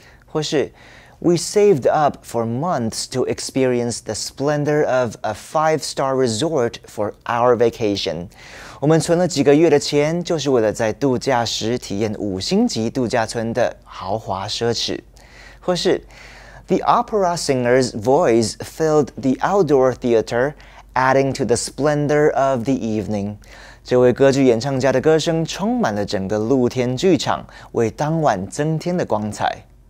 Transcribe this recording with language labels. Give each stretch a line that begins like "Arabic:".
Chinese: 或是
English: ，We saved up for months to experience the splendor of a five-star resort for our vacation.
Chinese: 我们存了几个月的钱，就是为了在度假时体验五星级度假村的豪华奢侈。或是
English: ，The opera singer's voice filled the outdoor theater, adding to the splendor of the evening.
Chinese: 这位歌剧演唱家的歌声充满了整个露天剧场，为当晚增添了光彩。